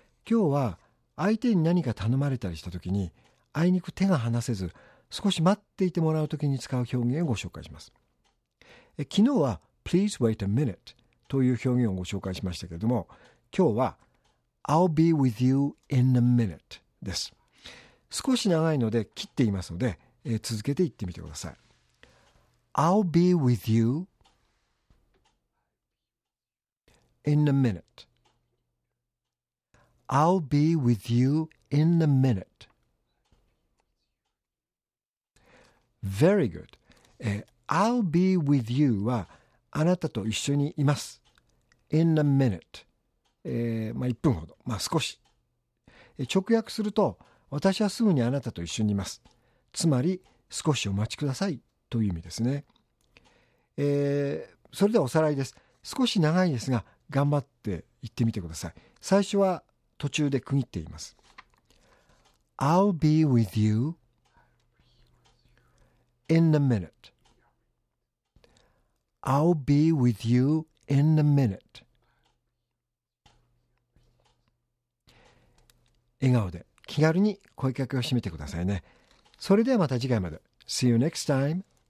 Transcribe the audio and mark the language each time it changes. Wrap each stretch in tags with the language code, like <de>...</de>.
<ja>今日は相手に何か頼まれたりした時にあいにく手が離せず少し待っていてもらう時に使う表現をご紹介します。昨日は</ja> <en>Please wait a minute</en> <ja>という表現をご紹介しましたけれども、今日は</ja> <en>I'll be with you in a minute</en> <ja>です。少し長いので切っていますので続けて言ってみてください。</ja> <en>I'll be with you in a minute. I'll be with you in a minute. Very good. I'll be with you</en> <ja>はあなたと一緒にいます。</ja> <en>In a minute.</en> <ja>1分ほど。少し。直訳すると、私はすぐにあなたと一緒にいます。つまり、少しお待ちくださいという意味ですね。それではおさらいです。少し長いですが、頑張って言ってみてください。最初は途中で区切っています。</ja> <en>I'll be with you in a minute. I'll be with you in a minute.</en> <ja>笑顔で気軽に声かけをしてみてくださいね。それではまた次回まで。</ja> <en>See you next time.</en>